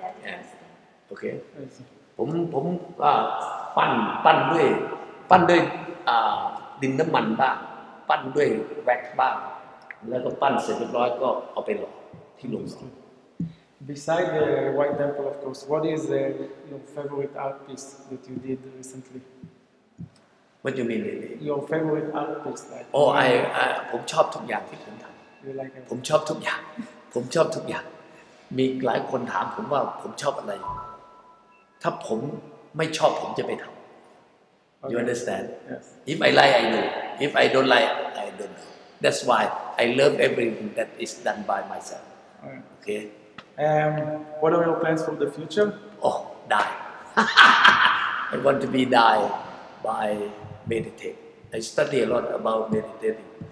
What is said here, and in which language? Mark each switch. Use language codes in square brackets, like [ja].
[en] and okay [th] ผมปั้นด้วยดินน้ำมันบ้างปั้นด้วย wax บ้างแล้วก็ปั้นเสร็จเรียบร้อยก็เอาไปหล่อที่ลงหล่อ [en] beside the white temple of course what is your favorite art piece that you did recently What do you mean? Your favorite artist, like? [th] Oh, I ผมชอบทุกอย่างที่ผมทำ ผมชอบทุกอย่าง ผมชอบทุกอย่าง มีหลายคนถามผมว่าผมชอบอะไร ถ้าผมไม่ชอบผมจะไปทำ [en] You understand? Yes. If I like, I do. If I don't like, I don't know. That's why I love everything that is done by myself. Okay. What are your plans for the future? Oh, die. I want to be die. By meditate, I study a lot about meditating.